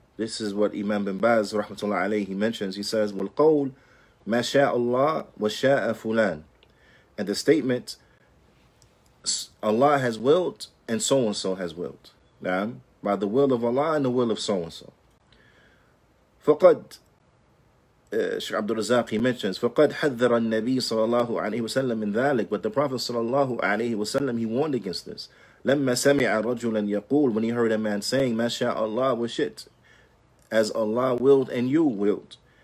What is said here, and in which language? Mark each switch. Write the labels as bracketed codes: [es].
[en] This is what Imam bin Baz rahmatullah alayhi mentions. He says, [ar] والقول ما شاء الله وشاء فلان. [en] And the statement, Allah has willed and so and so has willed. Naam. By the will of Allah and the will of so-and-so. [ar] فَقَدْ Shaykh Abdul Razak, [en] he mentions, [ar] فَقَدْ حَذَّرَ النَّبِي صَلَى اللَّهُ عَلَيْهِ وَسَلَّمْ مِنْ ذَلِكَ. [en] But the Prophet [ar] صلى الله عليه وسلم, [en] he warned against this. [ar] لَمَّا سَمِعَ رَجُلًا يَقُولُ. [en] When he heard a man saying, [ar] مَا شَاءَ اللَّهُ وَشِئْتْ. [en] As Allah willed and you willed.